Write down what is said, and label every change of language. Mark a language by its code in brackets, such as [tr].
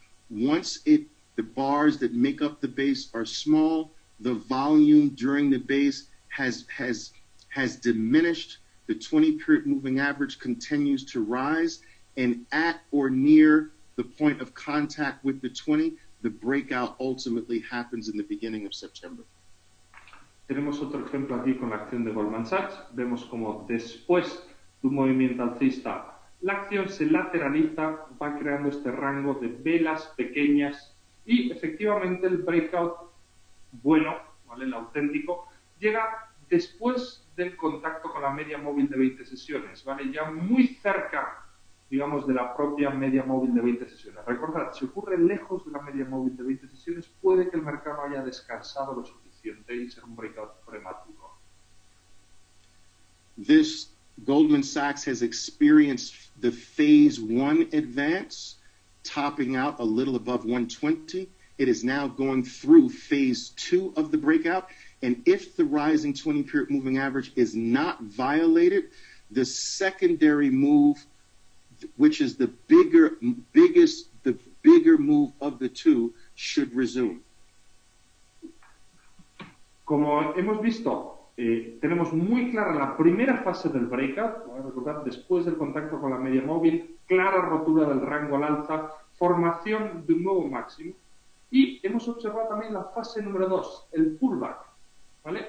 [en] Once the bars that make up the base are small, the volume during the base has diminished. The 20-period moving average continues to rise, and at or near the point of contact with the 20, the breakout ultimately happens in the beginning of September. [es] Tenemos otro ejemplo aquí con la acción de Goldman Sachs. Vemos como después de un movimiento alcista, la acción se lateraliza, va creando este rango de velas pequeñas, y efectivamente el breakout bueno, ¿vale?, el auténtico, llega después del contacto con la media móvil de 20 sesiones, ¿vale? Ya muy cerca, digamos, de la propia media móvil de 20 sesiones. Recordad, si ocurre lejos de la media móvil de 20 sesiones, puede que el mercado haya descansado lo suficiente y ser un breakout prematuro. [en] This Goldman Sachs has experienced the phase one advance, topping out a little above 120. It is now going through phase two of the breakout, and if the rising 20-period moving average is not violated, the secondary move, which is the bigger move of the two, should resume. [es] Como hemos visto, tenemos muy clara la primera fase del breakout, recordar, después del contacto con la media móvil, clara rotura del rango al alza, formación de un nuevo máximo. Y hemos observado también la fase número 2, el pullback, ¿vale?